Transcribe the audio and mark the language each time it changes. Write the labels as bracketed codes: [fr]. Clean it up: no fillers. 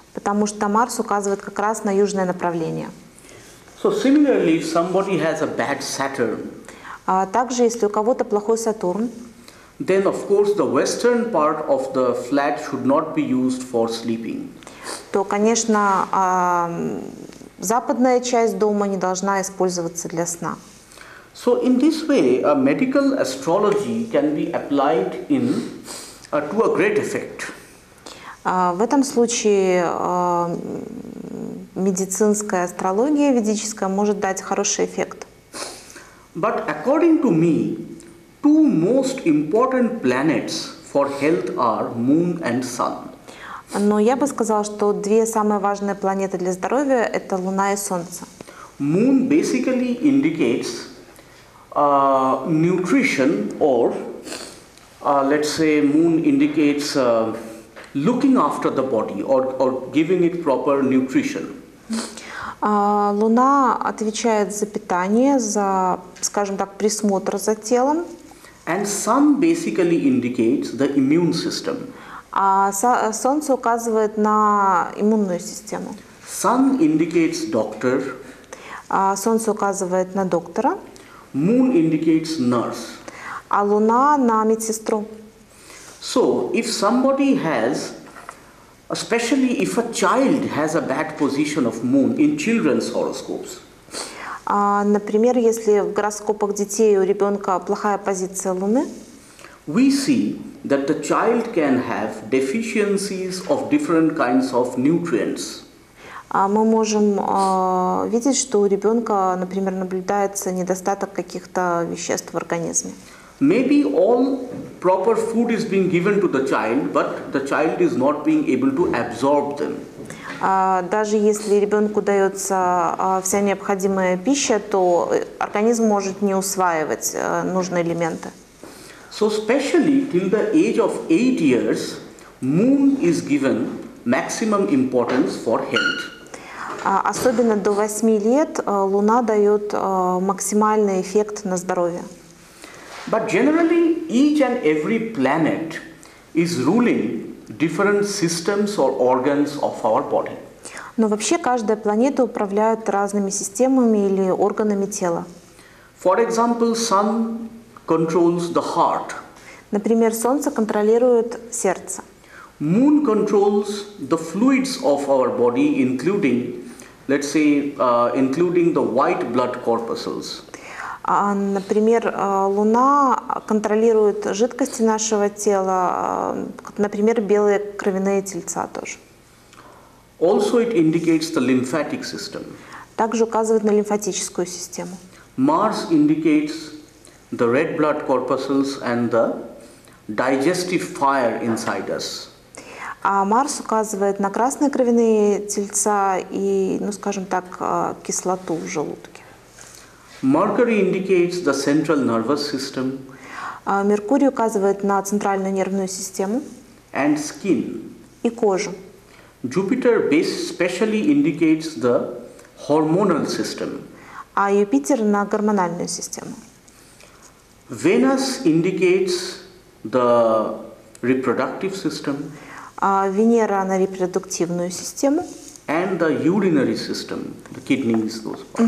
[ru] Потому что Марс указывает как раз на южное направление. [en] So similarly, if somebody has a bad Saturn, [ru] также, если у кого-то плохой Сатурн, [en] then of course the western part of the flat should not be used for sleeping. [ru] То, конечно, западная часть дома не должна использоваться для сна. [en] So in this way, a medical astrology can be applied in to a great effect. [ru] В этом случае медицинская астрология ведическая может дать хороший эффект. [en] But according to me, two most important planets for health are Moon and Sun. [ru] Но я бы сказала, что две самые важные планеты для здоровья – это Луна и Солнце. [en] Moon basically indicates nutrition or, let's say, Moon indicates looking after the body or giving it proper nutrition. [ru] Луна отвечает за питание, за, скажем так, присмотр за телом. [en] And Sun basically indicates the immune system. [ru] Солнце указывает на иммунную систему. [en] Sun indicates doctor. [ru] Солнце указывает на доктора. [en] Moon indicates nurse. [ru] А Луна на медсестру. [en] So, if somebody has Especially if a child has a bad position of moon in children's horoscopes. [ru] Например, если в гороскопах детей у ребенка плохая позиция Луны, [en] we see that the child can have deficiencies of different kinds of nutrients. [ru] Мы можем видеть, что у ребенка, например, наблюдается недостаток каких-то веществ в организме. [en] Maybe all proper food is being given to the child, but the child is not being able to absorb them. [ru] Даже если ребенку дается вся необходимая пища, то организм может не усваивать нужные элементы. [en] So especially till the age of 8 years, moon is given maximum importance for health. [ru] Особенно до 8 лет Луна дает максимальный эффект на здоровье. [en] But generally, each and every planet is ruling different systems or organs of our body. [ru] Но вообще каждая планета управляет разными системами или органами тела. [en] For example, Sun controls the heart. [ru] Например, Солнце контролирует сердце. [en] Moon controls the fluids of our body, including, let's say, including the white blood corpuscles. [ru] Например, Луна контролирует жидкости нашего тела, например, белые кровяные тельца тоже. [en] Also it indicates the lymphatic system. [ru] Также указывает на лимфатическую систему. [en] Mars indicates the red blood corpuscles and the digestive fire inside us. [ru] А Марс указывает на красные кровяные тельца и, ну, скажем так, кислоту в желудке. [en] Mercury indicates the central nervous system. [ru] Меркурий указывает на центральную нервную систему. [en] And skin. [ru] И кожу. [en] Jupiter specially indicates the hormonal system. [ru] А Юпитер на гормональную систему. [en] Venus indicates the reproductive system. [ru] Венера на репродуктивную систему. [en] And the urinary system, the kidneys, those parts.